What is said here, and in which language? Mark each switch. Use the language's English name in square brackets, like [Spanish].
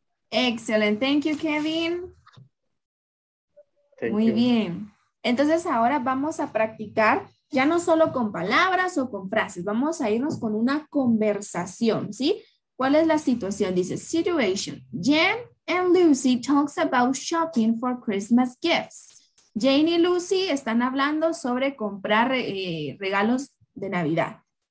[English] Excellent. Thank you, Kevin. Thank [Spanish] Muy [English] you. [Spanish] Bien. Entonces ahora vamos a practicar ya no solo con palabras o con frases. Vamos a irnos con una conversación, ¿sí? ¿Cuál es la situación? Dice, situation. Jen [English] and Lucy talks about shopping for Christmas gifts. [Spanish] Jane y Lucy están hablando sobre comprar regalos de Navidad.